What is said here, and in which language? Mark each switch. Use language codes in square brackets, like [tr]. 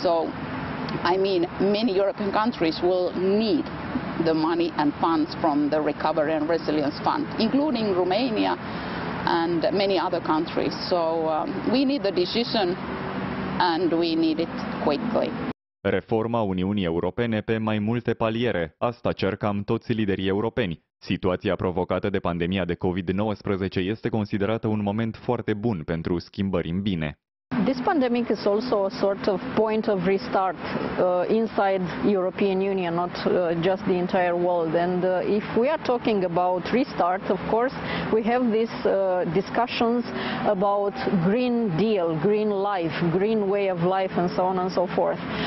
[en] So I mean, many European countries will need the money and funds from the Recovery and Resilience Fund, including Romania and many other countries. So we need the decision, and we need it quickly. [ro] Reforma Uniunii Europene pe mai multe paliere. Asta cercam toți liderii europeni. Situația provocată de pandemia de COVID-19 este considerată un moment foarte bun pentru schimbări în bine. [en] This pandemic is also a sort of point of restart inside European Union, not just the entire world. And if we are talking about restart, of course, we have these discussions about green deal, green life, green way of life, and so on and so forth.